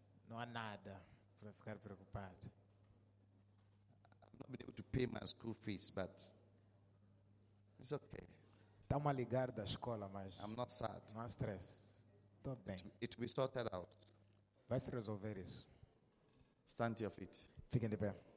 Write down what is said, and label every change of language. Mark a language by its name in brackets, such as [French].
[Portuguese] Não há nada para ficar preocupado. [English] I've not been able to pay my school fees, but it's okay. [Portuguese] Tá uma ligar da escola, mas [English] I'm not sad. [Portuguese] Não há stress. Estou bem. [English] It will be sorted out. [Portuguese] Vai se resolver isso. [English] Stand to your feet. [Portuguese] Fiquem de pé.